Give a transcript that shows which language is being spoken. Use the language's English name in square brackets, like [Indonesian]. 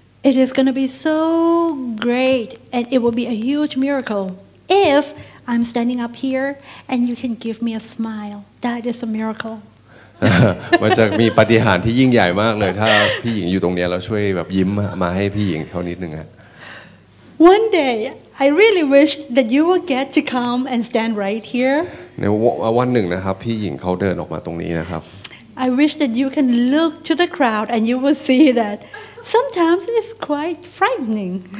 [English] It is going to be so great and it will be a huge miracle if I'm standing up here and you can give me a smile that is a miracle [Thai] มันจะมีปาฏิหาริย์ที่ยิ่งใหญ่มากเลยถ้าพี่หญิงอยู่ตรงเนี้ยแล้วช่วยแบบยิ้มมาให้พี่หญิงเท่านิดนึงฮะ [English] One day, I really wish that you would get to come and stand right here. [Thai] ในวันหนึ่งนะครับพี่หญิงเขาเดินออกมาตรงนี้นะครับ [English] I wish that you can look to the crowd and you will see that sometimes it's quite frightening.